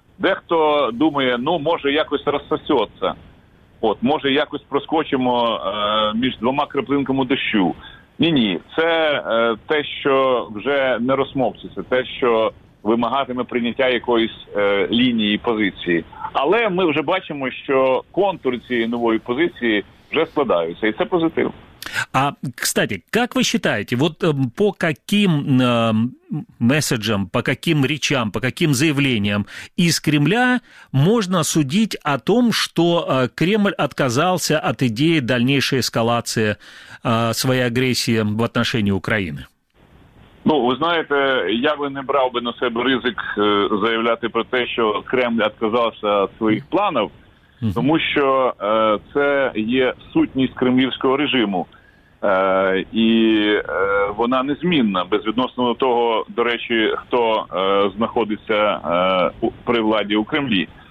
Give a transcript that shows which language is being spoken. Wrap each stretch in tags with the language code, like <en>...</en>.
<uk>Дехто думає, може якось розсосеться, може якось проскочимо між двома краплинками дощу. Ні-ні, це те, що вже не розсмокчеться, те, що вимагатиме прийняття якоїсь лінії позиції. Але ми вже бачимо, що контур цієї нової позиції – вже складаються, і це позитив.</uk> <ru>А, кстати, как вы считаете, вот по каким месседжам, по каким речам, по каким заявлениям из Кремля можно судить о том, что Кремль отказался от идеи дальнейшей эскалации своей агрессии в отношении Украины? Ну, вы знаете, я бы не брал бы на себе риск заявлять про то, что Кремль отказался от своих планов,</ru> <uk>тому що це є сутність кремлівського режиму, і вона незмінна, безвідносно до того, до речі, хто знаходиться при владі у Кремлі.</uk>